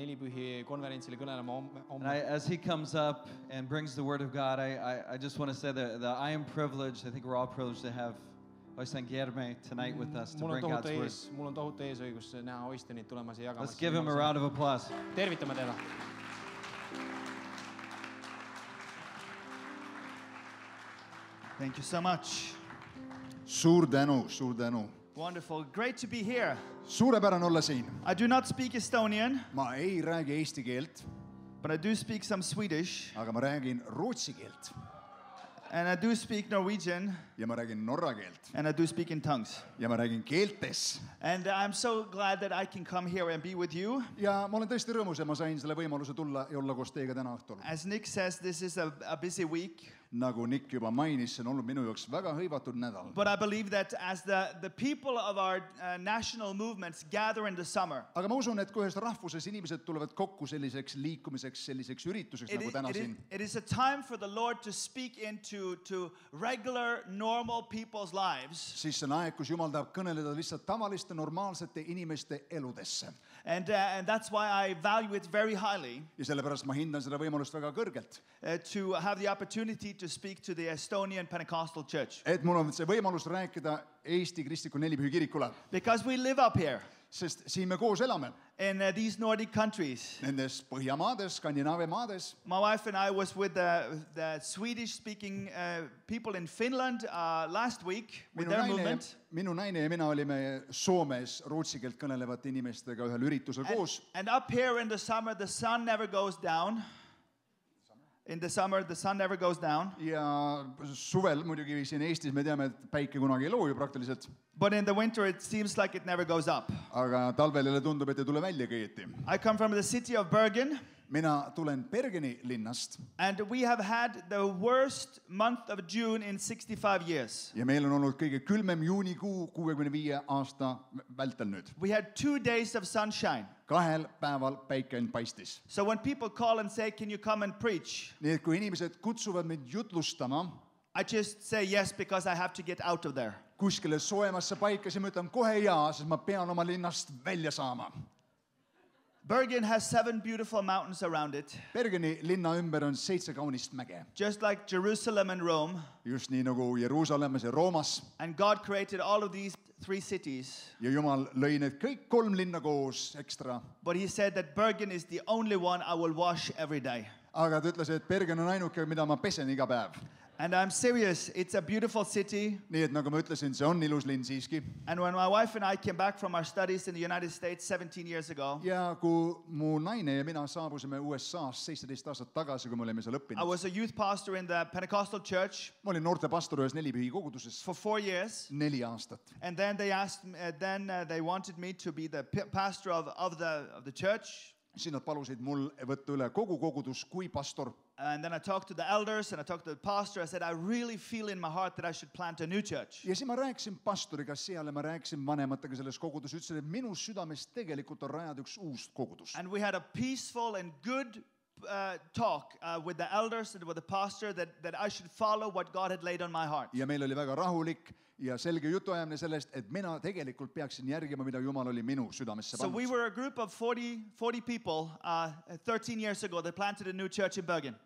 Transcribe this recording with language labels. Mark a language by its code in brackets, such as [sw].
[en] And as he comes up and brings the word of God, I just want to say that I am privileged. I think we're all privileged to have Oystein Germa tonight with us to bring God's word. [et] Mul on tohutu eesõigus näha Oysteinit tulemas ja jagamas. [en] Let's give him a round of applause. [et] Tervitame teda. [en] Thank you so much. [et] Suur tänu. [en] Wonderful. Great to be here. [et] Suurepärane olla siin. [en] I do not speak Estonian. [et] Ma ei räägi eesti keelt. [en] But I do speak some Swedish. [et] Aga ma räägin ruotsi keelt. [en] And I do speak Norwegian. [et] Ja ma räägin norra keelt. [en] And I do speak in tongues. [et] Ja ma räägin keeltes. [en] And I'm so glad that I can come here and be with you. [et] Ja ma olen tõesti rõõmus, et ma sain selle võimaluse tulla ja olla koos teiega täna õhtul. [en] As Nick says, this is a busy week. [et] Nagu Nick juba mainis, see on olnud minu jaoks väga hõivatud nädal. [en] But I believe that as the people of our national movements gather in the summer. [et] Aga ma usun, et kohes rahvuses inimesed tulevad kokku selliseks liikumiseks, selliseks ürituseks nagu täna siin. [en] It is a time for the Lord to speak into regular normal people's lives. [et] Siis on aeg, kus Jumal tahab kõneleda lihtsalt tavaliste normaalsete inimeste eludesse. [en] And that's why I value it very highly. [et] Ja sellepärast ma hindan seda võimalust väga kõrgelt. [en] To have the opportunity to speak to the Estonian Pentecostal Church. [et] Et mul on see võimalus rääkida Eesti Kristliku Nelipühi Kirikule. [en] Because we live up here. [et] Sest siin me koos elame. [en] In these Nordic countries. [et] Nendes Põhjamaades, Skandinaavia maades. [en] My wife and I was with the Swedish speaking people in Finland last week with their movement. [et] Minu naine ja mina olime Soomes ruotsikeelt kõnelevate inimestega ühel üritusel koos. [en] And up here in the summer the sun never goes down. In the summer the sun never goes down. [et] Ja suvel muidugi siin Eestis me teame, et päike kunagi ei loo ju praktiliselt. [en] But in the winter it seems like it never goes up. [et] Aga talvelile tundub, et ei tule välja kõieti. [en] I come from the city of Bergen. [et] Mina tulen Bergeni linnast. [en] And we have had the worst month of June in 65 years. [et] Ja meil on olnud kõige külmem juunikuu 65 aasta vältel nüüd. [en] We had 2 days of sunshine. [et] Kahel päeval päike on paistis. [en] So when people call and say, can you come and preach? [et] Nii et kui inimesed kutsuvad mind jutlustama. [en] I just say yes because I have to get out of there. [et] Kuskile soojemasse paikasi, ma ütlen kohe jaa, sest ma pean oma linnast välja saama. [en] Bergen has 7 beautiful mountains around it. [et] Bergeni linna ümber on 7 kaunist mäge. [en] Just like Jerusalem and Rome. [et] Just nii nagu Jerusalemmas ja Roomas. [en] And God created all of these 3 cities. [et] Ja Jumal lõi need kõik 3 linna koos ekstra. [en] But he said that Bergen is the only one I will wash every day. [et] Aga ta ütles, et Bergen on ainuke, mida ma pesen iga päev. [en] And I'm serious, it's a beautiful city. [et] Nii, et nagu ma ütlesin, see on ilus linn siiski. [en] And when my wife and I came back from our studies in the United States 17 years ago, [et] ja kui mu naine ja mina saabusime USA's 17 aastat tagasi, kui me olime seal õppinud. [en] I was a youth pastor in the Pentecostal church. [et] Ma olin noorte pastor ühes nelipühi koguduses. [en] For 4 years. [et] 4 aastat. [en] And then they asked me, then they wanted me to be the pastor of the church. [et] Siin nad palusid mul võtta üle kogu kogudus kui pastor. [en] And then I talked to the elders and I talked to the pastor. I said, I really feel in my heart that I should plant a new church. [et] Ja siin ma rääksin pastoriga seal ja ma rääksin vanematega selles kogudus. Ütlesin, et minu südames tegelikult on rajad üks uus kogudus. [en] And we had a peaceful and good talk with the elders and with the pastor that I should follow what God had laid on my heart. [et] Ja meil oli väga rahulik. Ja selge jutu ajamine sellest, et mina tegelikult peaksin järgima, mida Jumal oli minu südamesse pannud. [en] So we were a group of 40 people 13 years ago that planted a new church in Bergen.